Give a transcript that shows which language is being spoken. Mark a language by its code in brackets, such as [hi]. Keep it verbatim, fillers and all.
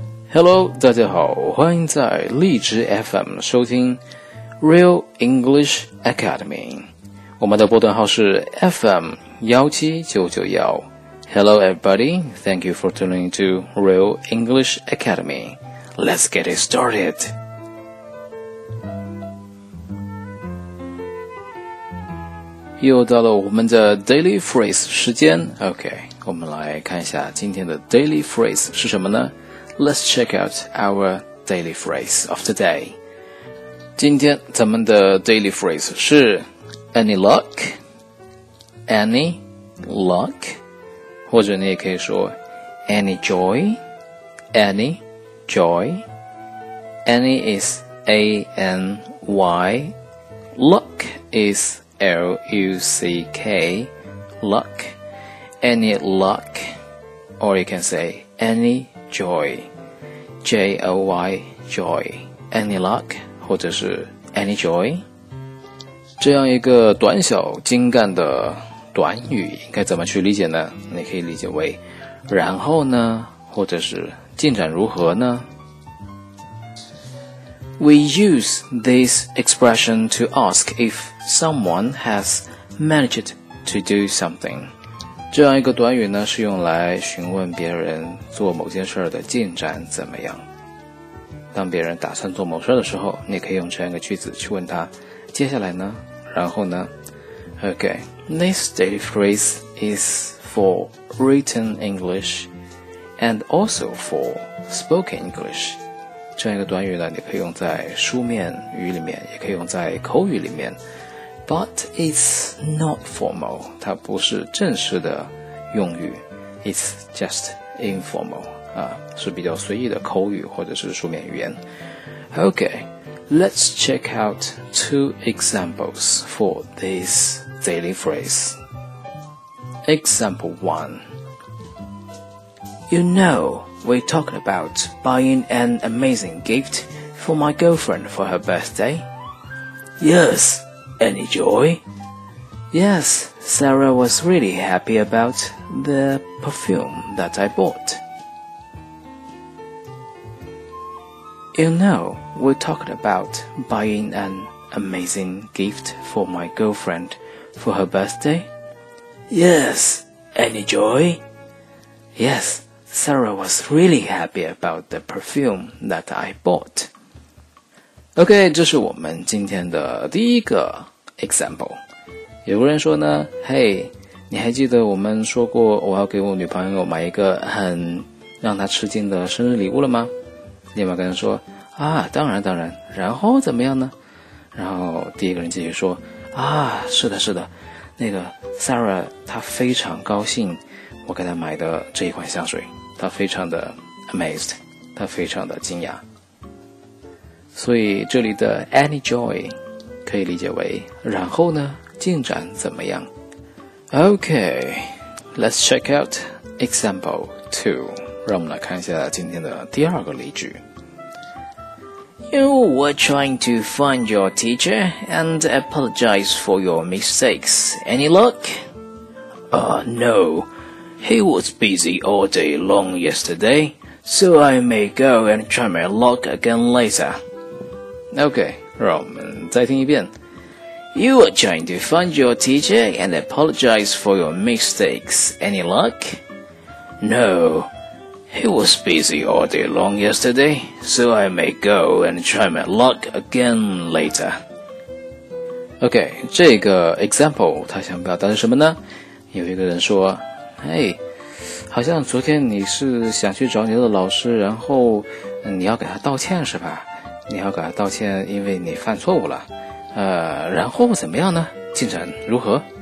[zh] Hello， 大家好，欢迎在荔枝 F M 收听 Real English Academy， 我们的波段号是 F M 一七九九一。 [en] Hello everybody, thank you for tuning to Real English Academy. Let's get it started. [zh] 又到了我们的 Daily Phrase 时间 ，OK， 我们来看一下今天的 Daily Phrase 是什么呢？ [en] Let's check out our daily phrase of the day. [zh] 今天咱们的 daily phrase 是 any luck, any luck, 或者你也可以说 any joy, any joy, [en] any is A N Y, luck is L U C K, luck, any luck, or you can say any joy, J O Y, joy, any luck, [zh] 或者是 [en] any joy. [zh] 这样一个短小精干的短语应该怎么去理解呢？你可以理解为然后呢，或者是进展如何呢？ [en] We use this expression to ask if someone has managed to do something. [zh] 这样一个短语呢，是用来询问别人做某件事儿的进展怎么样。当别人打算做某事儿的时候，你可以用这样一个句子去问他，接下来呢，然后呢。 [en] Okay, this daily phrase is for written English and also for spoken English. [zh] 这样一个短语呢，你可以用在书面语里面，也可以用在口语里面。 [en] But it's not formal. [zh] 它不是正式的用语。 [en] It's just informal. [zh] 啊，是比较随意的口语或者是书面语言。 [en] Okay, let's check out two examples for this daily phrase. Example one. You know, we talked about buying an amazing gift for my girlfriend for her birthday. Yes. Any joy? Yes, Sarah was really happy about the perfume that I bought. You know, we talked about buying an amazing gift for my girlfriend for her birthday. Yes, any joy? Yes, Sarah was really happy about the perfume that I bought. [zh] OK, 这是我们今天的第一个 example。有个人说呢，嘿，你还记得我们说过我要给我女朋友买一个很让她吃惊的生日礼物了吗？另外一个人说，啊，当然当然，然后怎么样呢？然后第一个人继续说，啊，是的是的，那个 Sarah 她非常高兴我给她买的这一款香水，她非常的 amazed， 她非常的惊讶。所以这里的 any joy 可以理解为然后呢，进展怎么样。 [en] OK, let's check out example two. [zh] 让我们来看一下今天的第二个例句。 [en] You were trying to find your teacher and apologize for your mistakes. Any luck? Uh, no. He was busy all day long yesterday, so I may go and try my luck again later. [zh] Okay, 让我们再听一遍。 [en] You are trying to find your teacher and apologize for your mistakes. Any luck? No. He was busy all day long yesterday, so I may go and try my luck again later. [zh] Okay, 这个 example 他想表达是什么呢？有一个人说，嘿，好像昨天你是想去找你的老师，然后你要给他道歉是吧？你要给他道歉，因为你犯错误了。呃，然后怎么样呢？进展如何？